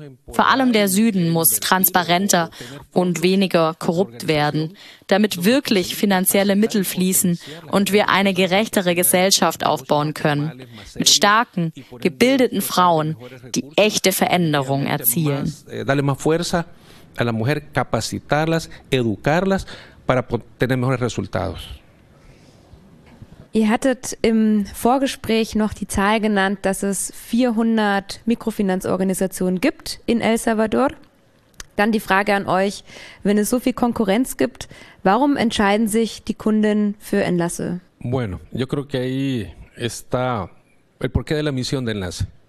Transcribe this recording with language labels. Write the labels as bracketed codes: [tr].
[de] Vor allem der Süden muss transparenter und weniger korrupt werden, damit wirklich finanzielle Mittel fließen und wir eine gerechtere Gesellschaft aufbauen können, mit starken, gebildeten Frauen, die echte Veränderung erzielen. [es] Darle más fuerza a la mujer, capacitarlas, educarlas para tener mejores resultados. [de] Ihr hattet im Vorgespräch noch die Zahl genannt, dass es 400 Mikrofinanzorganisationen gibt in El Salvador. Dann die Frage an euch, wenn es so viel Konkurrenz gibt, warum entscheiden sich die Kunden für Enlace? [es] Bueno, yo creo que ahí está el porqué de la misión de Enlace.